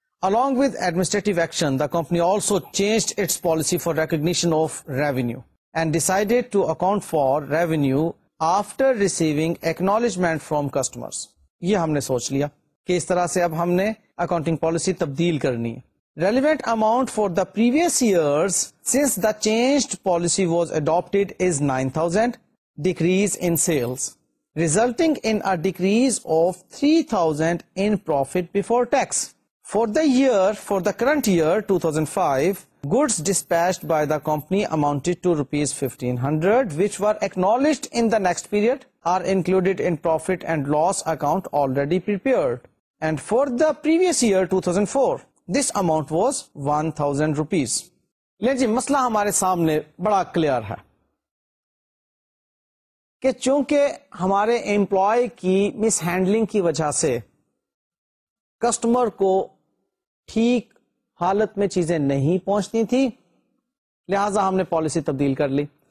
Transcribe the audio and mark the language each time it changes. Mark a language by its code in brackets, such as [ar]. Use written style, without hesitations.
[en] Along with administrative action, the company also changed its policy for recognition of revenue and decided to account for revenue after receiving acknowledgement from customers. [ur] یہ ہم نے سوچ لیا کہ اس طرح سے اب ہم نے اکاؤنٹنگ پالیسی تبدیل کرنی ہے. [en] Relevant amount for the previous years since the changed policy was adopted is 9,000 decrease in sales resulting in a decrease of 3,000 in profit before tax. For the current year 2005, goods dispatched by the company amounted to rupees 1500 which were acknowledged in the next period are included in profit and loss account already prepared. And for the previous year 2004, this amount was 1000 rupees. [ur] لیں جی مسئلہ ہمارے سامنے بڑا clear ہے کہ چونکہ ہمارے employee کی مس ہینڈلنگ کی وجہ سے کسٹمر کو ٹھیک حالت میں چیزیں نہیں پہنچتی تھی, لہذا ہم نے پالیسی تبدیل کر لی.